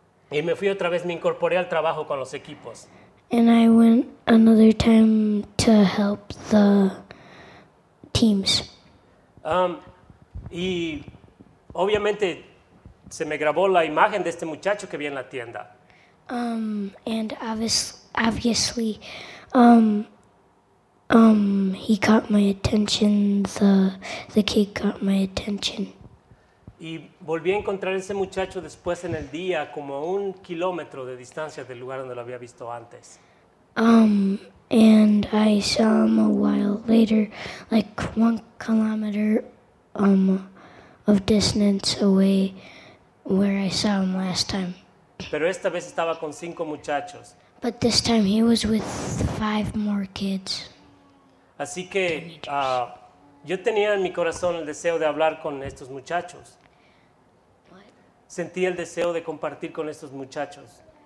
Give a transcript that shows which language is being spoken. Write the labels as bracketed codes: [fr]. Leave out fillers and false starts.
[es] Y me fui otra vez. Me incorporé al trabajo con los equipos. [en] And I went another time to help the teams. [es] Y obviamente se me grabó la imagen de este muchacho que vi en la tienda. [en] And obviously, he caught my attention. The kid caught my attention. [es] Y volví a encontrar ese muchacho después en el día, como a un kilómetro de distancia del lugar donde lo había visto antes. [en] And I saw him a while later, like 1 kilometer of distance away where I saw him last time. [es] Pero esta vez estaba con 5 muchachos. [en] But this time he was with 5 more kids. [es] Así que yo tenía en mi corazón el deseo de hablar con estos muchachos. Sentí el deseo de compartir con estos muchachos.